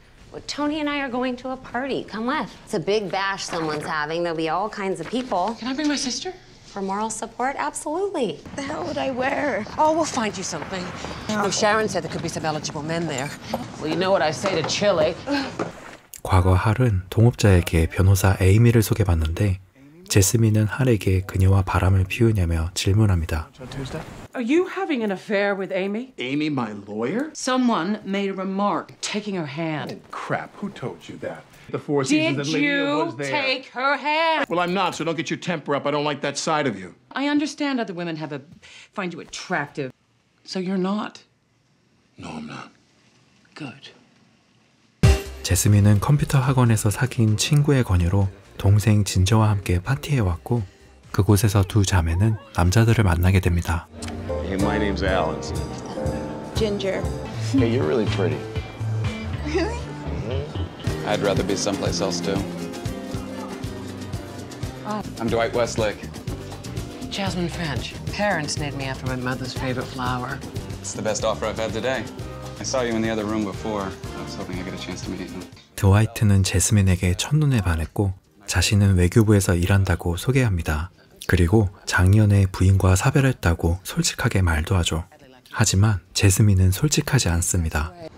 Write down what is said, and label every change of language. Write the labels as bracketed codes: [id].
[en] Well, Tony and I are going to a party. Come with. It's a big bash someone's having. There'll be all kinds of people. Can I bring my sister? For moral support? Absolutely. What the hell would I wear? Oh, we'll find you something. Oh. Oh, Sharon said there could be some eligible men there. Well, you know what I say to Chili. [ko] 과거 할은 동업자에게 변호사 에이미를 소개받는데 제스민은 할에게 그녀와 바람을 피우냐며 질문합니다. [en] Are you having an affair with Amy? Amy, my lawyer? Someone made a remark, taking her hand. Oh, crap, who told you that? The Four Seasons and Lydia was there. Did you take her hand? Well, I'm not, so don't get your temper up. I don't like that side of you. I understand other women find you attractive. So you're not? No, I'm not. Good. [ko] 제스민은 컴퓨터 학원에서 사귄 친구의 권유로 동생 진저와 함께 파티에 왔고 그곳에서 두 자매는 남자들을 만나게 됩니다. [en] Hey, my name's Alan. Ginger. Hey, you're really pretty. Really? I'd rather be someplace else, too. Oh. I'm Dwight Westlake. Jasmine French. Parents named me after my mother's favorite flower. It's the best offer I've had today. I saw you in the other room before. I was hoping I'd get a chance to meet you. [ko] 드와이트는 제스민에게 첫눈에 반했고 자신은 외교부에서 일한다고 소개합니다. 그리고 작년에 부인과 사별했다고 솔직하게 말도 하죠. 하지만 제스민은 솔직하지 않습니다.